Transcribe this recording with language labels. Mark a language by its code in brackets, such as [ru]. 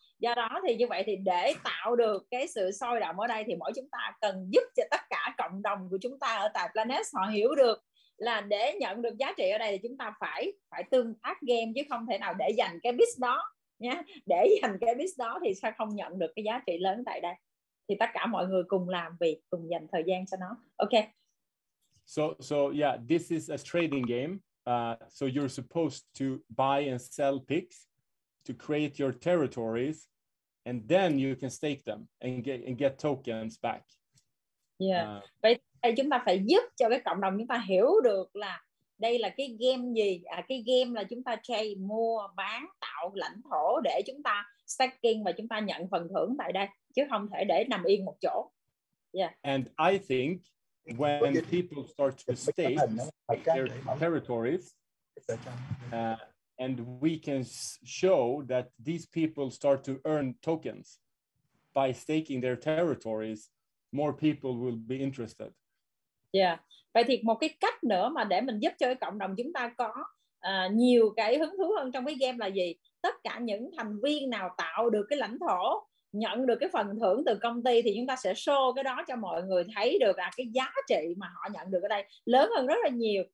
[vi] Do đó thì như vậy thì để tạo được cái sự sôi động ở đây thì mỗi chúng ta cần giúp cho tất cả cộng đồng của chúng ta ở tại Planet họ hiểu được là để nhận được giá trị ở đây thì chúng ta phải phải tương tác game, chứ không thể nào để dành cái pitch đó nhé. Để dành cái pitch đó thì sao không nhận được cái giá trị lớn tại đây. Thì tất cả mọi người cùng làm việc, cùng dành thời gian cho nó. [en] Okay. So yeah, this is a trading game. So you're supposed to buy and sell picks to create your territories, and then you can stake them and get tokens back. Yeah. [vi] Vậy thì chúng ta phải giúp cho cái cộng đồng chúng ta hiểu được là đây là cái game gì. Cái game là chúng ta trade, mua, bán, tạo lãnh thổ để chúng ta staking và chúng ta nhận phần thưởng tại đây, chứ không thể để nằm yên một chỗ. [en] Yeah. And I think when people start to stake their territories, and we can show that these people start to earn tokens by staking their territories, more people will be interested. Yeah. [vi] Vậy thì một cái cách nữa mà để mình giúp cho cái cộng đồng chúng ta có nhiều cái hứng thú hơn trong cái game là gì? Tất cả những thành viên nào tạo được cái lãnh thổ, nhận được cái phần thưởng từ công ty thì chúng ta sẽ show cái đó cho mọi người thấy được là cái giá trị mà họ nhận được ở đây lớn hơn rất là nhiều.